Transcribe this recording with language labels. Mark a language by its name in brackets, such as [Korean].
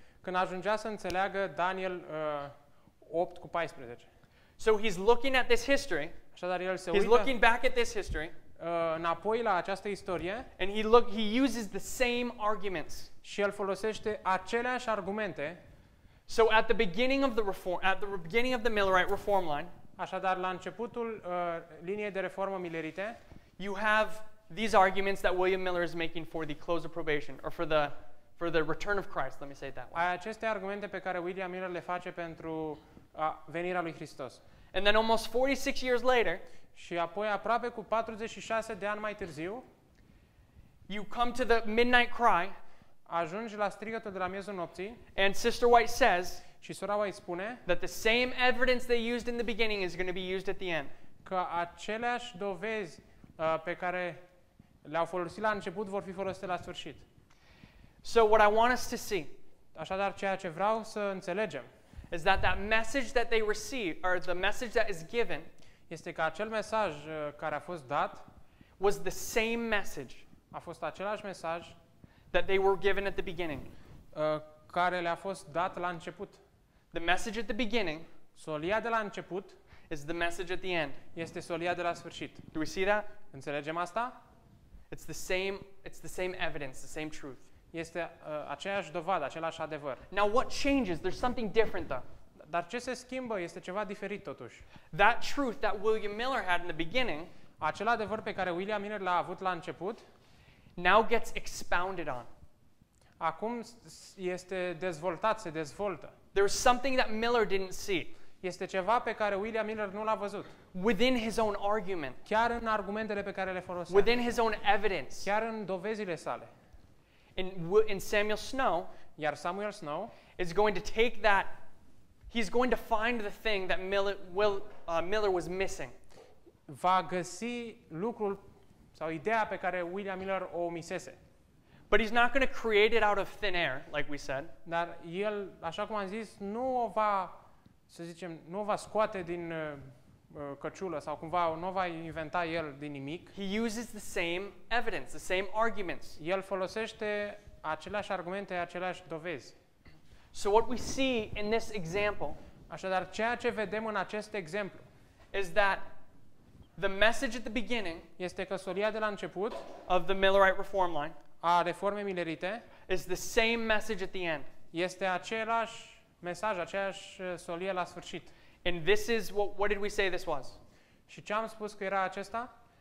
[Romanian] Când ajungea să înțeleagă Daniel 8:14. [English] So he's looking at this history. [Romanian] Așadar el se uită. [English] He's looking back at this history. [Romanian] Înapoi la această istorie. [English] And he uses the same arguments. [Romanian] Și el folosește aceleași argumente. [English] So at the beginning of the reform, at the beginning of the Millerite reform line. [Romanian] Așadar la începutul liniei de reformă millerite, [English] you have these arguments that William Miller is making for the close of probation or for the return of Christ, let me say it that way. [Romanian] Ai aceste argumente pe care William Miller le face pentru venirea lui Hristos. [English] And then almost 46 years later, [Romanian] și apoi aproape cu 46 de ani mai târziu, [English] you come to the midnight cry. [Romanian] Ajungi la strigătul de la miezul nopții. [English] And Sister White says, [Romanian] și sora White spune, [English] that the same evidence they used in the beginning is going to be used at the end. [Romanian] Că aceleași dovezi pe care le-au folosit la început vor fi folosite la sfârșit. [English] So what I want us to see, [Romanian] așadar ceea ce vreau să înțelegem, [English] is that message that they received, or the message that is given, [Romanian] este că acel mesaj care a fost dat, [English] was the same message. [Romanian] A fost același mesaj [English] that they were given at the beginning. [Romanian] Care le-a fost dat la început. [English] The message at the beginning, [Romanian] solia de la început, [English] is the message at the end. [Romanian] Este solia de la sfârșit. [English] Do we see that? [Romanian] Înțelegem asta? [English] It's the same evidence, the same truth. [Romanian] Este aceeași dovadă, același adevăr. [English] Now what changes? There's something different though. [Romanian] Dar ce se schimbă? Este ceva diferit totuși. [English] That truth that William Miller had in the beginning, [Romanian] acel adevăr pe care William Miller l-a avut la început, [English] now gets expounded on. [Romanian] Acum este dezvoltat, se dezvoltă. [English] There's something that Miller didn't see. [Romanian] Este ceva pe care William Miller nu l-a văzut. [English] Within his own argument. [Romanian] Chiar în argumentele pe care le folosea. [English] Within his own evidence. [Romanian] Chiar în dovezile sale. [English] In Samuel Snow, [Romanian] iar Samuel Snow [English] is going to take that, he's going to find the thing that Miller was missing. [Romanian] Va găsi lucrul sau ideea pe care William Miller o omisese. [English] But he's not going to create it out of thin air, like we said. [Romanian] Dar el, așa cum am zis, nu o va, să zicem, nu o va scoate din căciulă sau cumva nu o va inventa el din nimic. [English] He uses the same evidence, the same arguments. [Romanian] El folosește aceleași argumente, aceleași dovezi. [English] So what we see in this example, [Romanian] așadar ceea ce vedem în acest exemplu, [English] is that the message at the beginning, [Romanian] este că solia de la început, [English] of the Millerite reform line, [Romanian] a reforme milerite, [English] is the same message at the end. [Romanian] Este același mesaj, aceeași solie la sfârșit. [English] And this is what did we say this was? [Romanian] Și ce am spus că era acesta?